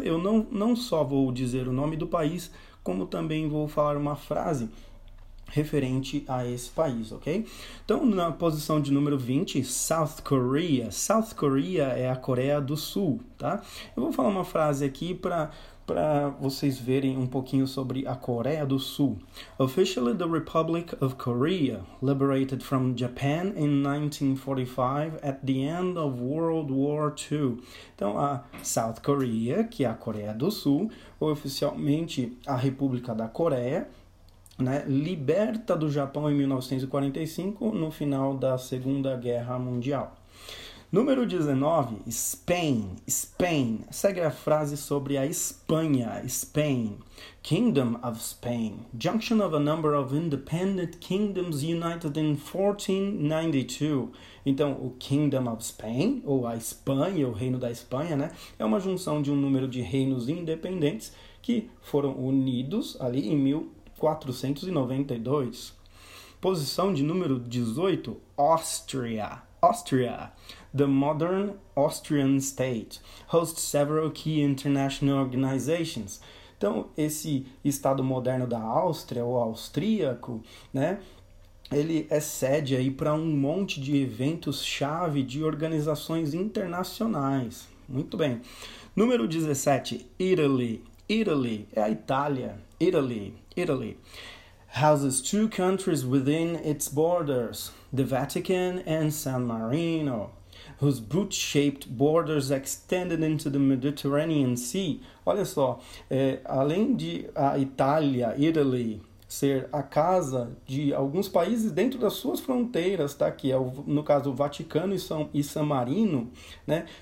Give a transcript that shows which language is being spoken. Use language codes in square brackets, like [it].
[pt] Eu não só vou dizer o nome do país, como também vou falar uma frase referente a esse país, ok? Então, na posição de número 20, South Korea. South Korea é a Coreia do Sul, tá? Eu vou falar uma frase aqui para vocês verem um pouquinho sobre a Coreia do Sul. [en] Officially, the Republic of Korea, liberated from Japan in 1945 at the end of World War II. [pt] Então, a South Korea, que é a Coreia do Sul, oficialmente a República da Coreia, né, liberta do Japão em 1945, no final da Segunda Guerra Mundial. Número 19, Spain. Segue a frase sobre a Espanha, Spain. [en] Kingdom of Spain. Junction of a number of independent kingdoms united in 1492. [pt] Então, o Kingdom of Spain, ou a Espanha, o Reino da Espanha, né? É uma junção de um número de reinos independentes que foram unidos ali em 1492. Posição de número 18, Áustria. [en] Austria, the modern Austrian state, hosts several key international organizations. [pt] Então, esse estado moderno da Áustria, ou austríaco, né, ele é sede aí para um monte de eventos-chave de organizações internacionais. Muito bem. Número 17, Italy. Italy, é a Itália. Italy, Italy. [en] Houses two countries within its borders, the Vatican and San Marino, whose boot-shaped borders extended into the Mediterranean Sea. [pt] Olha só, além de a Itália, Italy, ser a casa de alguns países dentro das suas fronteiras, tá? Que é no caso o Vaticano e San Marino, né?